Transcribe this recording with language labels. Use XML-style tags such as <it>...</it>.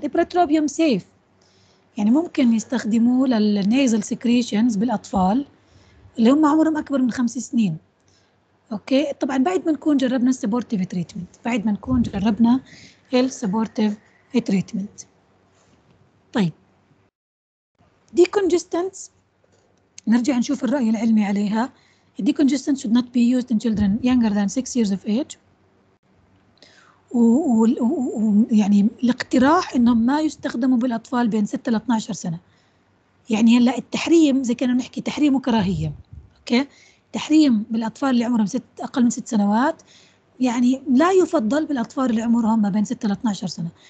<ar>الإبراتروبيوم سيف، يعني ممكن يستخدموه للنيزل سكريشنز بالأطفال اللي هم عمرهم أكبر من 5 سنين. أوكي، طبعا بعد ما نكون جربنا السبورتيف تريتمنت، بعد ما نكون جربنا السبورتيف تريتمنت. طيب decongestants نرجع نشوف الرأي العلمي عليها.</ar> <en>decongestants should not be used in children younger than 6 years of age.</en> <ar>ويعني الاقتراح انهم ما يستخدموا بالاطفال بين 6 ل 12 سنة. يعني هلا التحريم زي كنا نحكي تحريم وكراهية. اوكي؟ تحريم بالاطفال اللي عمرهم اقل من 6 سنوات يعني لا يفضل بالاطفال اللي عمرهم ما بين 6 ل 12 سنة.</ar>